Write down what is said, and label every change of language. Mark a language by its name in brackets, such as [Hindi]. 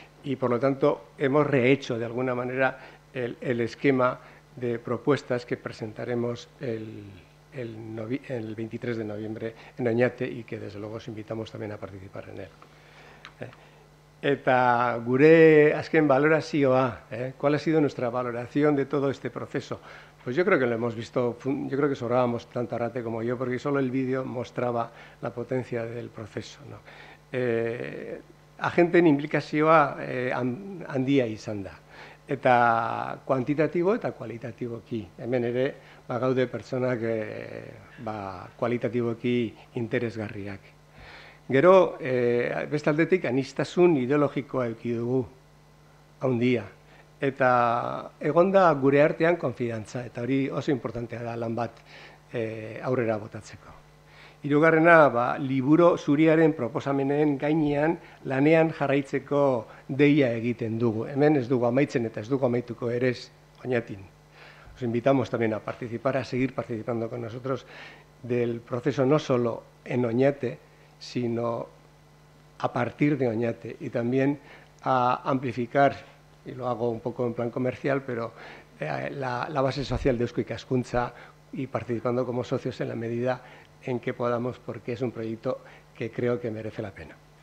[Spanish] Y, por lo tanto, hemos rehecho, de alguna manera, el esquema de propuestas que presentaremos el 23 de noviembre en Oñate y que, desde luego, os invitamos también a participar en él. [Basque] Eta gure azken valorazioa, [Spanish] ¿cuál ha sido nuestra valoración de todo este proceso? Pues yo creo que lo hemos visto, yo creo que sobrábamos tanto Arrate como yo, porque solo el vídeo mostraba la potencia del proceso, ¿no? [Basque] Agenten implikazioa handia izan da. Eta kuantitatibo eta kualitatiboki. Hemen ere, bagaude pertsonak kualitatiboki interesgarriak. Gero, beste aldetik, anistasun ideologikoa eduki dugu, haundia. Eta egonda gure artean konfidantza, eta hori oso importantea da lan bat aurrera botatzeko. Hirugarrena, liburu zuriaren proposamenen gainean lanean jarraitzeko deia egiten dugu. Hemen ez dugu amaitzen eta ez dugu amaituko ere ez Oñatin. [Spanish] Os invitamos también a participar, a seguir participando con nosotros del proceso no solo en Oñate, sino a partir de Oñate y también a amplificar, y lo hago un poco en plan comercial, pero la base social de Eusko Ikaskuntza y participando como socios en la medida en que podamos, porque es un proyecto que creo que merece la pena.